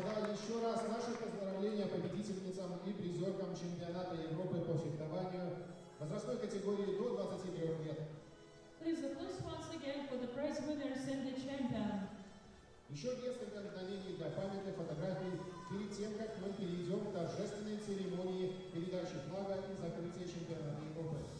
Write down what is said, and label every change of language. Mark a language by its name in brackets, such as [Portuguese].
[Russian] Еще раз наше поздравление победительницам и призеркам чемпионата Европы по фехтованию возрастной категории до 23 лет. [English] Please applause once again for the prize winners and the champion. [Russian] Еще несколько мгновений для памяти фотографий перед тем, как мы перейдем к торжественной церемонии передачи флага и закрытия чемпионата Европы.